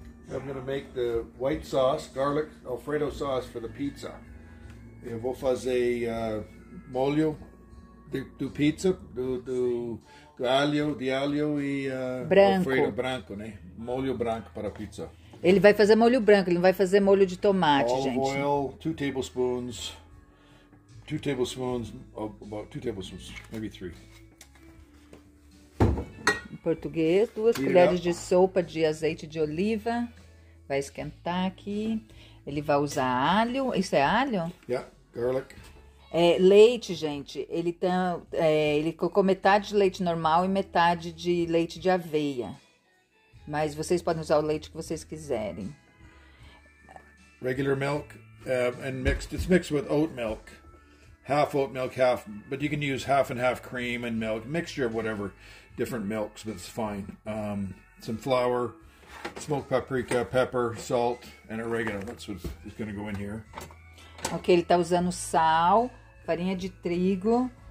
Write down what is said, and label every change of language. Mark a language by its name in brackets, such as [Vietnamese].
[English] I'm going to make the white sauce, garlic Alfredo sauce for the pizza. [Portuguese] Eu vou fazer molho do pizza, do alho, de alho e [English] Alfredo [Portuguese] branco, né? Molho branco para pizza. Ele vai fazer molho branco, ele não vai fazer molho de tomate, [English] olive [Portuguese] gente. [English] Olive oil, two tablespoons, maybe three. [Portuguese] Em português, duas colheres de sopa de azeite de oliva. Vai esquentar aqui. Ele vai usar alho. Isso é alho? [English] Yeah, garlic. [Portuguese] É, leite, gente. Ele colocou metade de leite normal e metade de leite de aveia. Mas vocês podem usar o leite que vocês quiserem. [English] Regular milk and mixed. It's mixed with oat milk. Half oat milk, half. But you can use half and half cream and milk. Mixture of whatever. Different milks, but it's fine. Some flour, smoked paprika, pepper, salt, and oregano. That's what is going to go in here. [Portuguese] Ok, ele está usando sal, farinha de trigo.